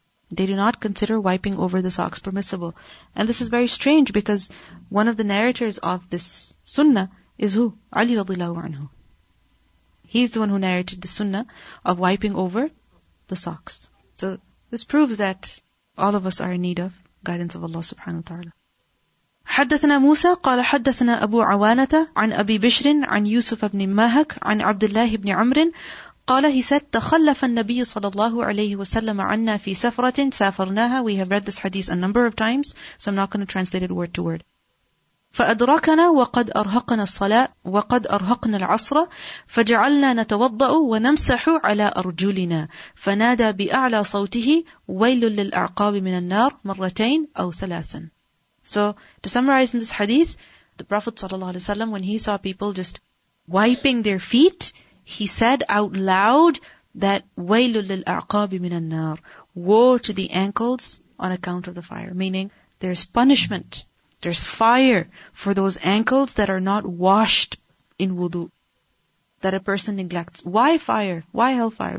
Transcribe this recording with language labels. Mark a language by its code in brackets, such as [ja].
[en] They do not consider wiping over the socks permissible. And this is very strange, because one of the narrators of this sunnah is who? Ali radiallahu anhu. He's the one who narrated the sunnah of wiping over the socks. So this proves that all of us are in need of guidance of Allah subhanahu wa ta'ala. [ar] حدثنا موسى قال حدثنا أبو عوانة عن أبي بشر عن يوسف بن ماهك عن عبد الله بن عمرو قال [en] he said [ar] تخلف النبي صلى الله عليه وسلم عنا في سفرة سافرناها. [en] We have read this hadith a number of times, so I'm not going to translate it word to word. [ar] فأدركنا وقد أرهقنا الصلاة وقد أرهقنا العصر فجعلنا نتوضأ ونمسح على أرجلنا فنادى بأعلى صوته ويل للأعقاب من النار مرتين أو ثلاثا. [en] So to summarize in this hadith, the Prophet sallallahu alaihi wasallam, when he saw people just wiping their feet, he said out loud that [ar] ويل للأعقاب من النار, [en] woe to the ankles on account of the fire, meaning there's punishment, there's fire for those ankles that are not washed in wudu, that a person neglects. Why fire? Why hellfire?